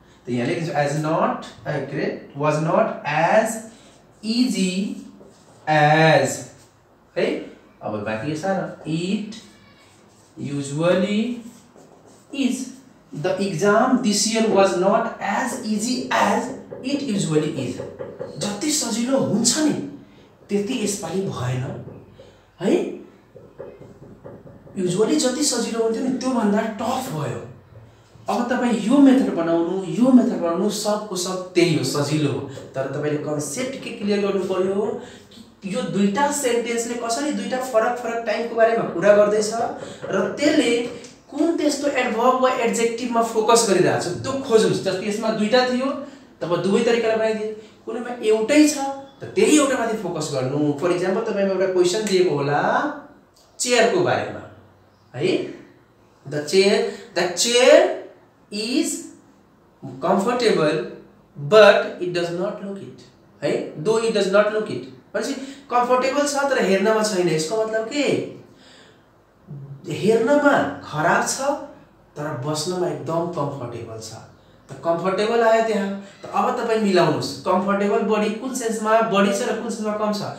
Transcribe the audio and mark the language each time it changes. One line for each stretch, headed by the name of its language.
English: as not correct was not as easy as hey our baki sara it usually is. The exam this year was not as easy as it usually is.
Nepali: जति सजिलो हुन्छ नि त्यति यसपालि भएन है. Usually जति सजिलो हुन्थ्यो नि त्योभन्दा टफ भयो. अब तपाईँ यो मेथड बनाउनु सबको सब त्यही हो सजिलो हो. तर तपाईँले कन्सेप्ट के क्लियर गर्नु पर्यो कि यो दुईवटा सेन्टेन्सले कसरी दुईवटा फरक फरक टाइमको बारेमा कुरा गर्दैछ र त्यसले कुन त्यस्तो एडभर्ब वा एड्जेक्टिभमा फोकस गरिरहेको छ त्यो खोज्नुहोस्. जस्तो यसमा दुईवटा थियो तब दुवै तरिकाले बनाइदिए. कुनैमा एउटै छ त त्यही एउटामाथि फोकस गर्नु. फर इक्जाम्पल तपाईँमा एउटा क्वेसन दिएको होला चेयरको बारेमा है.
English: The chair is comfortable but it does not look it है. Though it does not look it
Nepali: भनेपछि कम्फर्टेबल छ तर हेर्नमा छैन. यसको मतलब के हेर्नमा खराब छ तर बस्नमा एकदम कम्फर्टेबल छ. त कम्फर्टेबल आयो त्यहाँ. त अब तपाईँ मिलाउनुहोस् कम्फर्टेबल बडी कुन सेन्समा बढी छ र कुन सेन्समा कम छ.